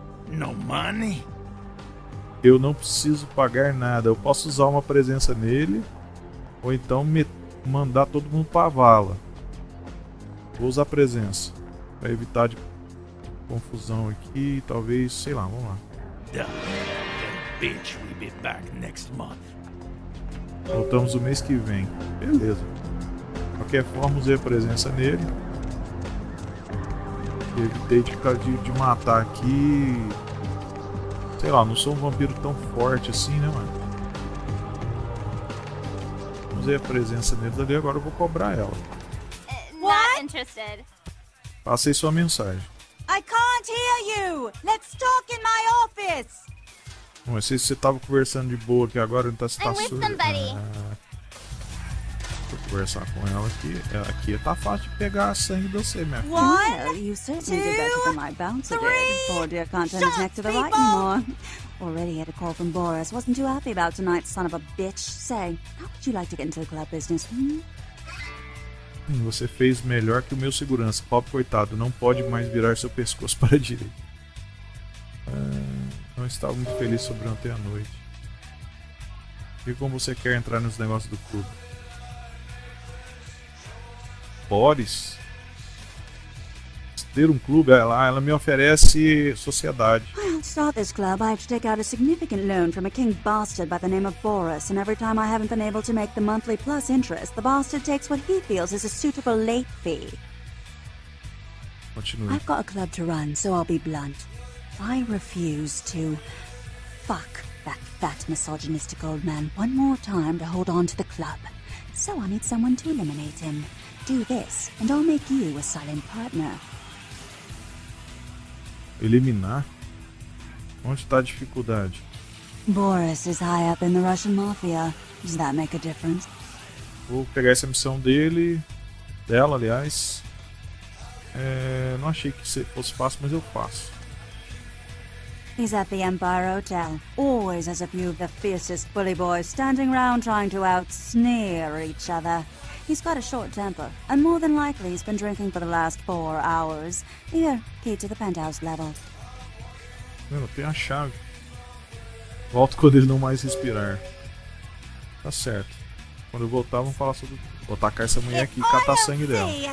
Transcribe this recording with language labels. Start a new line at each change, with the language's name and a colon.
English: No money?
Portuguese: Eu não preciso pagar nada. Eu posso usar uma presença nele. Ou então me mandar todo mundo pra vala. Vou usar a presença. Pra evitar de confusão aqui. Talvez, sei lá, vamos lá.
English: Bitch, we'll be back next month.
Portuguese: Voltamos o mês que vem. Beleza. De qualquer forma, usei a presença nele. Evitei de ficar de matar aqui. Sei lá, não sou um vampiro tão forte assim, né, mano? Usei a presença nele ali, agora eu vou cobrar ela.
English: Not interested.
Portuguese: Passei sua mensagem.
English: I can't hear you! Let's talk in my office!
Portuguese: Bom, eu sei se você tava conversando de boa aqui agora, não tá se passando. Vou conversar com ela aqui. Aqui tá fácil de pegar sangue de você, minha filha.
English: One, two, three, shots, people! Already had a call from Boris. Wasn't too happy about tonight, son of a bitch. Say, how would you like to get into the club business?
Portuguese: Você fez melhor que o meu segurança. Pobre coitado, não pode mais virar seu pescoço para a direita. Não estava muito feliz sobre ontem à noite. E como você quer entrar nos negócios do clube? Boris? Ter um clube, ela me oferece sociedade.
English: Well, to start this club, I have to take out a significant loan from a king bastard by the name of Boris, and every time I haven't been able to make the monthly plus interest, the bastard takes what he feels is a suitable late fee. Continue. I've got a club to run, so I'll be blunt. I refuse to fuck that fat misogynistic old man one more time to hold on to the club. So I need someone to eliminate him. Do this, and I'll make you a silent partner.
Portuguese: Eliminar? Onde está a dificuldade?
English: Boris is high up in the Russian mafia. Does that make a difference?
Portuguese: Vou pegar essa missão dele. Dela, aliás. Não achei que fosse fácil, mas eu faço.
English: He's at the Empire Hotel. Always has a few of the fiercest bully boys standing around trying to out-sneer each other. He's got a short temper, and more than likely he's been drinking for the last 4 hours. Here, key to the penthouse level.
Portuguese: Mano, tem a chave. Volto quando ele não mais respirar. Tá certo. Quando eu voltar, vamos falar sobre... Vou atacar essa mulher aqui e catar sangue dela.